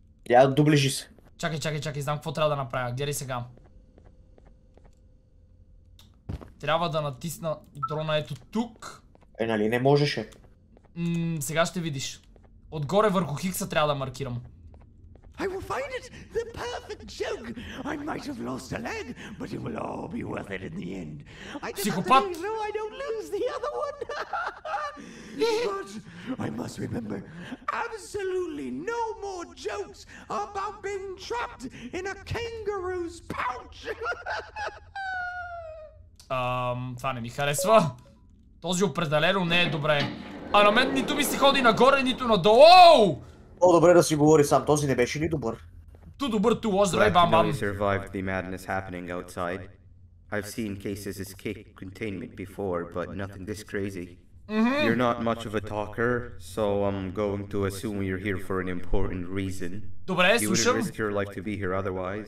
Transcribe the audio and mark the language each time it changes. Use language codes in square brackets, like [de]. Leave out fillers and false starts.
[bg] Я доближи се. Чакай, знам какво трябва да направя. Гледай сега. Трябва да натисна дрона ето тук. Е, нали не можеше? Сега ще видиш. Отгоре върху хикса трябва да маркирам. [en] I will find it, the perfect joke. I might have lost a leg, but it will all be worth it in the end. I just have to know I don't lose the other one. But I must remember, absolutely no more jokes about being trapped in a kangaroo's pouch. [bg] Това не ми харесва. Този определено не е добре. А на мен нито ми се ходи нагоре, нито надолу. Оу! По-добре да си говори сам, този не беше ни добър. Ту добър, ту лош, здравей, бам-бам. [en] Survived the madness happening outside. I've seen cases as cake containment before, but nothing this crazy. Mm-hmm. You're not much of a talker, so I'm going to assume you're here for an important reason. [bg] Добре, слушам. [en] You wouldn't risk your life to be here otherwise.